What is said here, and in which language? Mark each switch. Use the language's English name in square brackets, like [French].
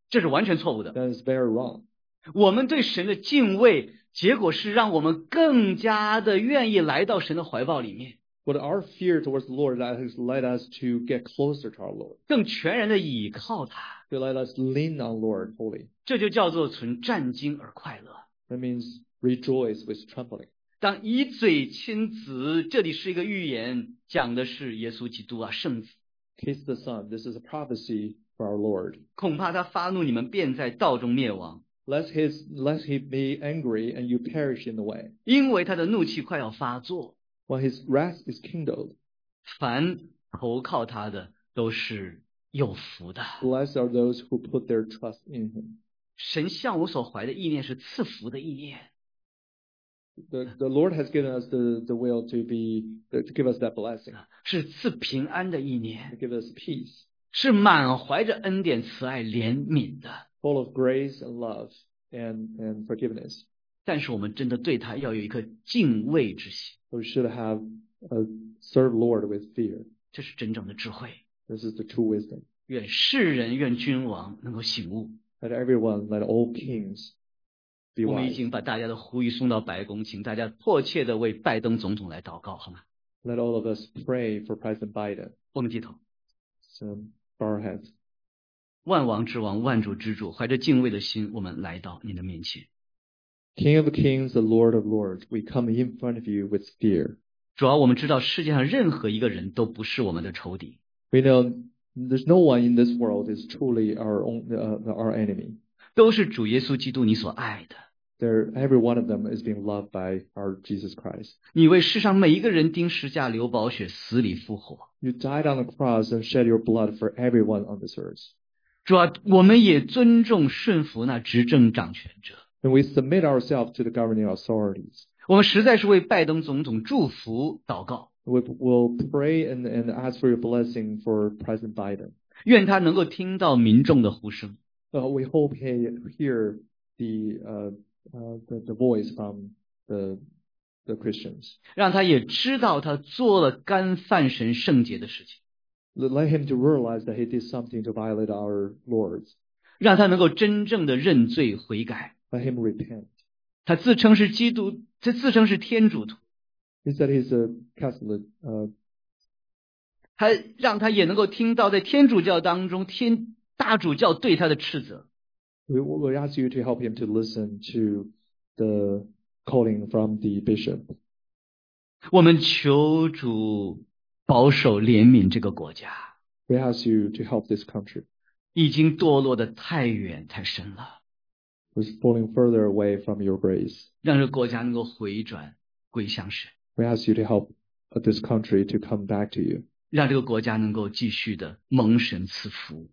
[Chinese] 这是完全错误的。 [English] That is very wrong. [Chinese] 我们对神的敬畏，结果是让我们更加的愿意来到神的怀抱里面。 [English] But our fear towards the Lord that has led us to get closer to our Lord. [Chinese] 更全然的倚靠他。 [English] To let us lean on Lord fully. [Chinese] 这就叫做存战兢而快乐。 [English] That means rejoice with trembling. [Chinese] 当以嘴亲子，这里是一个预言，讲的是耶稣基督啊，圣子。 [English] Kiss the Son. This is a prophecy for our Lord. [Chinese] 恐怕他发怒，你们便在道中灭亡。 [English] Lest he be angry and you perish in the way. [Chinese] 因为他的怒气快要发作。 [English] When his wrath is kindled. [Chinese] 凡投靠他的都是有福的。 [English] Blessed are those who put their trust in him. [Chinese] 神向我所怀的意念是赐福的意念。 [English] The Lord has given us the will to give us that blessing. [Chinese] 是赐平安的意念。 [English] To give us peace. [Chinese] 是满怀着恩典、慈爱、怜悯的。 [English] Full of grace and love and forgiveness. [Chinese] 但是我们真的对他要有一颗敬畏之心。 [English] We should have a serve Lord with fear. [Chinese] 这是真正的智慧。 [English] This is the true wisdom. [Chinese] 愿世人、愿君王能够醒悟。 [English] Let everyone, let all kings be wise. [Chinese] 我们已经把大家的呼吁送到白宫，请大家迫切地为拜登总统来祷告，好吗？ [English] Let all of us pray for President Biden. [Chinese] 我们低头。 [English] So, bow our heads. [Chinese] 万王之王，万主之主，怀着敬畏的心，我们来到您的面前。 [English] King of kings, the Lord of lords, we come in front of you with fear. [Chinese] 主要我们知道世界上任何一个人都不是我们的仇敌。 [English] We know... There's no one in this world is truly our enemy. [Chinese] 都是主耶稣基督你所爱的。 [English] Every one of them is being loved by our Jesus Christ. [Chinese] 你为世上每一个人钉十架流宝血死里复活。 [English] You died on the cross and shed your blood for everyone on this earth. [Chinese] 主啊，我们也尊重顺服那执政掌权者。 [English] And we submit ourselves to the governing authorities. [Chinese] 我们实在是为拜登总统祝福祷告。 [English] We will pray and ask for your blessing for President Biden. [Chinese] 愿他能够听到民众的呼声。 [English] We hope he hear the voice from the Christians. [Chinese] 让他也知道他做了干犯神圣洁的事情。 [English] Let him to realize that he did something to violate our Lord's. [Chinese] 让他能够真正的认罪悔改。 [English] Let him repent. [Chinese] 他自称是基督，他自称是天主徒。 [English] He said he's a Catholic. [Chinese] 他让他也能够听到在天主教当中天大主教对他的斥责。 [English] We ask you to help him to listen to the calling from the bishop. [Chinese] 我们求主保守怜悯这个国家。 [English] We ask you to help this country. [Chinese] 已经堕落的太远太深了。 [English] We're falling further away from your grace. [Chinese] 让这个国家能够回转归向神。 [English] We ask you to help this country to come back to you. [Chinese] 让这个国家能够继续的蒙神赐福。